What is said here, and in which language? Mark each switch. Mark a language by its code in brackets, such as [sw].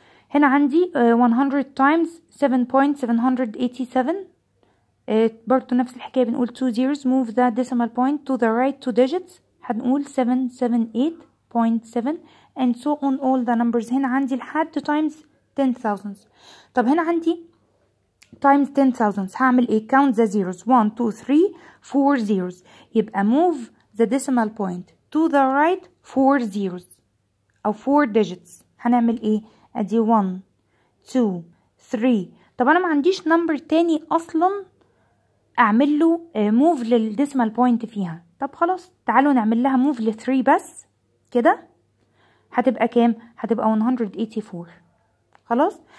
[ar] هنا عندي [en] 100 times 7.787 [ar] برضو نفس الحكايه، بنقول [en] 2 zeros move the decimal point to the right 2 digits [ar] هنقول [en] 778.7 and so on all the numbers. [ar] هنا عندي لحد تايمز 10000. طب هنا عندي [en] times 10000 [ar] هعمل ايه؟ [en] count the zeros 1 2 3 4 zeros، يبقى move the decimal point to the right 4 zeros او 4 digits. [ar] هنعمل ايه؟ ادي 1 2 3. طب انا ما عنديش number تاني اصلا اعمل له move للdecimal point فيها، طب خلاص تعالوا نعمل لها move ل 3 بس كده، هتبقى كام؟ هتبقى 184 خلاص.